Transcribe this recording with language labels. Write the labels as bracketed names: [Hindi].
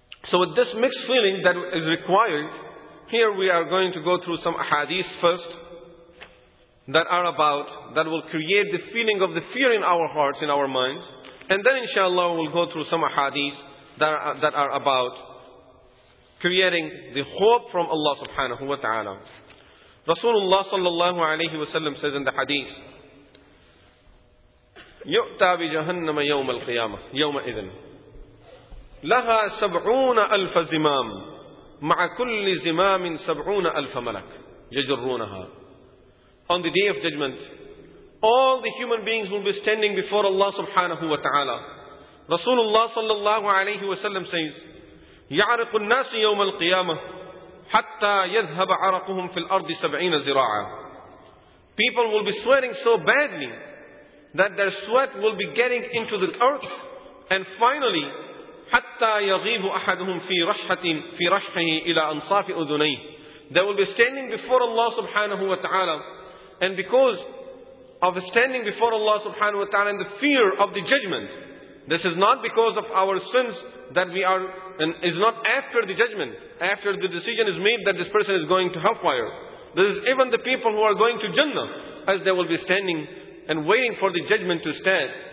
[English] So with this mixed feeling that is required, here we are going to go through some ahadith first that will create the feeling of the fear in our hearts, in our minds. And then inshallah we'll go through some ahadith that are about creating the hope from Allah subhanahu wa ta'ala. Rasulullah sallallahu alayhi wa sallam says in the hadith, [Arabic] يُؤْتَى بِجَهَنَّمَ يَوْمَ الْقِيَامَةِ يَوْمَ إِذٍ لَهَا سَبْعُونَ أَلْفَ زِمَامٍ مَعَ كُلِّ زِمَامٍ سَبْعُونَ أَلْفَ مَلَكٍ يَجُرُّونَهَا. [English] On the Day of Judgment, all the human beings will be standing before Allah subhanahu wa ta'ala. Rasulullah sallallahu alayhi wa sallam says, [Arabic] يَعْرِقُ النَّاسِ يَوْمَ الْقِيَامَةِ حَتَّى يَذْهَبَ عَرَقُهُمْ فِي الْأَرْضِ سَبْعِينَ زِرَاعًا. [English] People will be sweating so badly that their sweat will be getting into the earth. And finally, [Arabic] حَتَّى يَغِيبُ أَحَدُهُمْ فِي رَشْحِهِ إِلَىٰ أَنصَافِ أُذُنَيْهِ. [English] They will be standing before Allah subhanahu wa ta'ala. And because of standing before Allah subhanahu wa ta'ala and the fear of the judgment, this is not because of our sins that we are, and is not after the judgment, after the decision is made that this person is going to hellfire. This is even the people who are going to Jannah, as they will be standing and waiting for the judgment to stand.